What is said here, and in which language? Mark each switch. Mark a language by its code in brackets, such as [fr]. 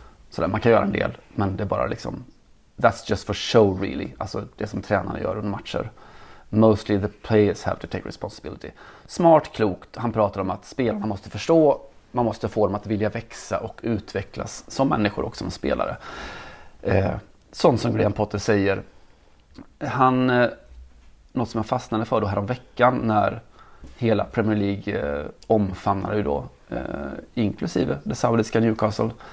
[sv] Sådär, man kan göra en del, men det är bara liksom, [en] that's just for show really. [sv] Alltså det som tränarna gör under matcher. [en] Mostly the players have to take responsibility. [sv] Smart, klokt. Han pratar om att spelarna måste förstå. Man måste få dem att vilja växa och utvecklas som människor och som spelare. Sånt som Graham Potter säger. Han, något som jag fastnade för då härom veckan när hela Premier League omfamnade ju då, inklusive det saudiska Newcastle.